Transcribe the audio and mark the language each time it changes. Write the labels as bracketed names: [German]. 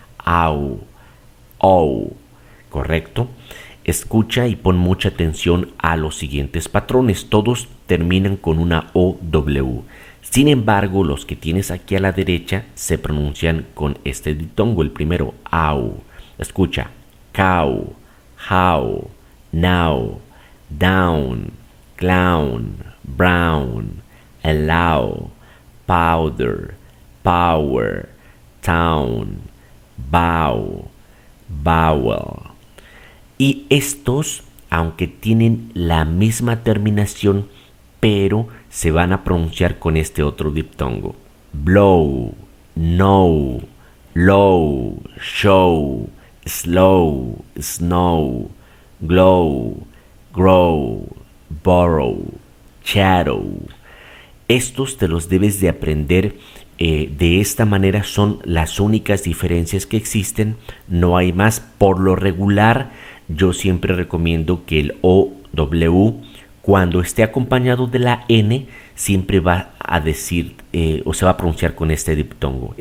[Spanish] Au, au, ¿correcto? Escucha y pon mucha atención a los siguientes patrones. Todos terminan con una OW. Sin embargo, los que tienes aquí a la derecha se pronuncian con este diptongo. El primero, au. Escucha. [English] Cow, how, now, down, clown, brown, allow, powder, power, town, bow, vowel. [Spanish] Y estos, aunque tienen la misma terminación, pero se van a pronunciar con este otro diptongo. [English] Blow, no, low, show, slow, snow, glow, grow, borrow, shadow. [Spanish] Estos te los debes de aprender de esta manera. Son las únicas diferencias que existen. No hay más. Por lo regular, yo siempre recomiendo que el OW, cuando esté acompañado de la N, siempre va a decir o se va a pronunciar con este diptongo.